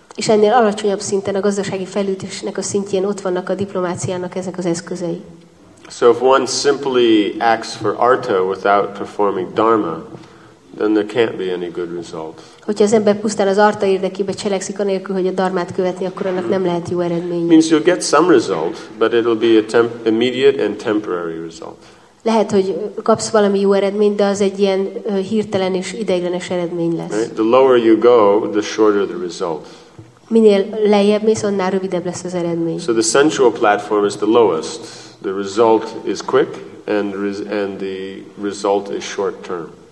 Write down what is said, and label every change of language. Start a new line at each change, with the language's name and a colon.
Hungarian: És ennél alacsonyabb szinten a gazdasági fejlődésnek a szintjén ott vannak a diplomáciának ezek az eszközei.
English: So if one simply acts for artha without performing dharma, then there can't be any good result.
Hungarian: Hogyha az ember pusztán az artha érdekében cselekszik anélkül, hogy a dharmát követni, akkor annak nem lehet jó eredmény.
English: Means you'll get some result, but it'll be a immediate and temporary result.
Hungarian: Lehet, hogy kapsz valami jó eredményt, de az egy ilyen hirtelen és ideiglenes eredmény lesz.
English: Right? The lower you go, the shorter the result.
Hungarian: Minél lejjebb mész, annál rövidebb lesz az eredmény.
English: So the sensual platform is the lowest. The result is quick, and the result is short term.